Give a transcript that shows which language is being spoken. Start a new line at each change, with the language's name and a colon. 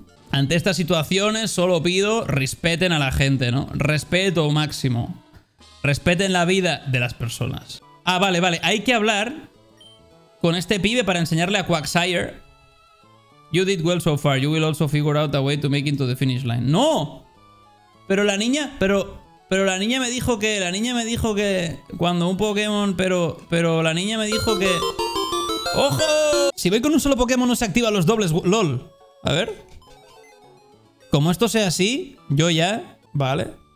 Spanish: Ante estas situaciones solo pido respeten a la gente, ¿no? Respeto máximo. Respeten la vida de las personas. Ah, vale, vale. Hay que hablar con este pibe para enseñarle a Quagsire.
English: You did well so far. You will also figure out a way to make it to the finish line.
Spanish: ¡No! Pero la niña... Pero la niña me dijo que... La niña me dijo que... Cuando un Pokémon... Pero la niña me dijo que... ¡Ojo! Si voy con un solo Pokémon no se activan los dobles. ¡Lol! A ver. Como esto sea así, yo ya... Vale.